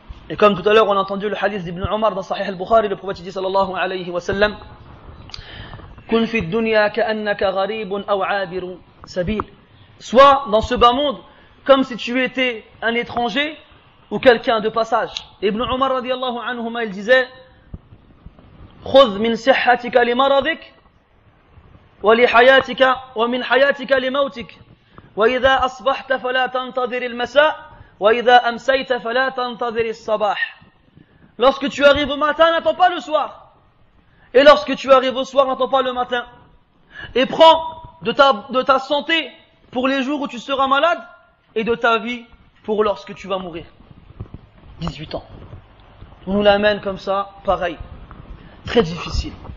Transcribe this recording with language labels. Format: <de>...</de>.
<fr>Et comme tout à l'heure, on a entendu le hadith d'Ibn Omar dans Sahih al-Bukhari, le prophète dit</fr> <ar>sallallahu alayhi wa sallam, كن في الدنيا كأنك غريب أو عابر سبيل.</ar> <fr>Soit dans ce bas monde comme si tu étais un étranger ou quelqu'un de passage.</fr> <ar>Ibn Omar radiallahu anhuma,</ar> <fr>il disait,</fr> <ar>خذ من صحتك لمرضك ولحياتك ومن حياتك لموتك وإذا أصبحت فلا تنتظر المساء وإذا أمسيت فلا تنتظر الصباح.</ar> <fr>Lorsque tu arrives au matin, n'attends pas le soir. Et lorsque tu arrives au soir, n'attends pas le matin. et prends de ta santé pour les jours où tu seras malade et de ta vie pour lorsque tu vas mourir. 18 ans. On nous l'amène comme ça, pareil. Très difficile.</fr>